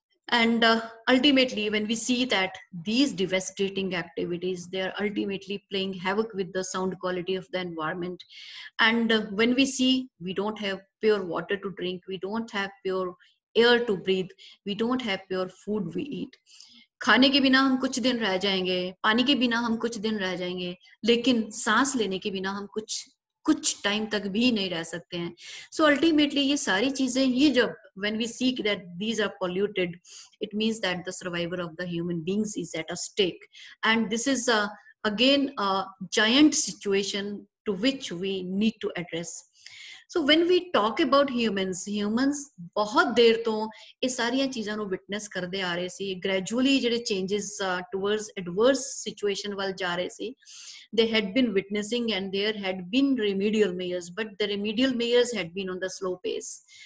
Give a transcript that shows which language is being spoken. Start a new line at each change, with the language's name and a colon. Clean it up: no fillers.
English: And ultimately, when we see that these devastating activities, they are ultimately playing havoc with the sound quality of the environment. And when we see we don't have pure water to drink, we don't have pure air to breathe, we don't have pure food we eat.
Hindi: खाने के बिना हम कुछ दिन रह जाएंगे, पानी के बिना हम कुछ दिन रह जाएंगे, लेकिन सांस लेने के बिना हम कुछ टाइम तक भी नहीं रह सकते हैं.
English: So ultimately ये सारी चीजें, ये जब when we see that these are polluted, it means that the survival of the human beings is at a stake. And this is again a giant situation to which we need to address. So when we talk about humans bahut der to eh sariyan cheezan nu witness karde aa rahe si, gradually jehde changes towards adverse situation wal ja rahe si, they had been witnessing, and there had been remedial measures, but the remedial measures had been on the slow pace.